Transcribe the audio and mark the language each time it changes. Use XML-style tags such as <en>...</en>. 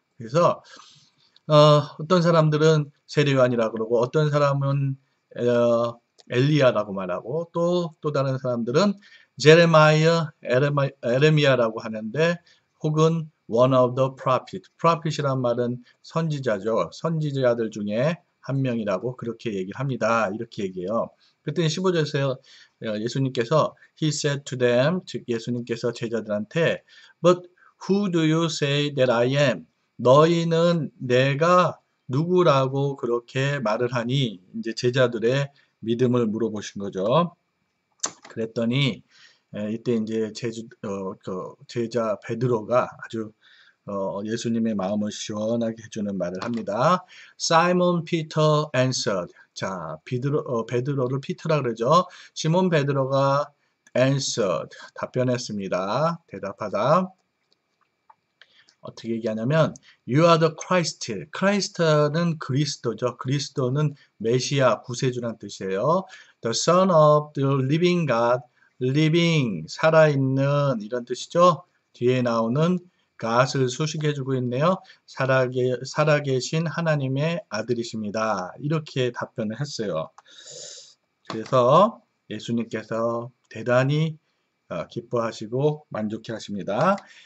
<ko>그래서 어떤 사람들은 세례요한이라 그러고 어떤 사람은 엘리야라고 말하고 또 다른 사람들은 제레마이어, 에레미야라고 하는데 혹은</ko> <en>one of the prophet,</en> <ko>prophet이란 말은 선지자죠. 선지자들 중에 한 명이라고 그렇게 얘기를 합니다. 이렇게 얘기해요. 그랬더니 15절에서 예수님께서</ko> <en>He said to them,</en> <ko>즉 예수님께서 제자들한테</ko> <en>But who do you say that I am?</en> <ko>너희는 내가 누구라고 그렇게 말을 하니? 이제 제자들의 믿음을 물어보신 거죠. 그랬더니 이때 이제 제자 베드로가 아주 예수님의 마음을 시원하게 해주는 말을 합니다.</ko> <en>Simon Peter answered.</en> <ko>자, 베드로를 피터라 그러죠. 시몬 베드로가 answered, 답변했습니다. 대답하다. 어떻게 얘기하냐면,</ko> <en>You are the Christ.</en> <ko>Christ는 그리스도죠. 그리스도는 메시아, 구세주란 뜻이에요.</ko> <en>The Son of the Living God, Living,</en> <ko>살아있는 이런 뜻이죠. 뒤에 나오는 God을 수식해주고 있네요. 살아계신 하나님의 아들이십니다. 이렇게 답변을 했어요. 그래서 예수님께서 대단히 기뻐하시고 만족해 하십니다.</ko>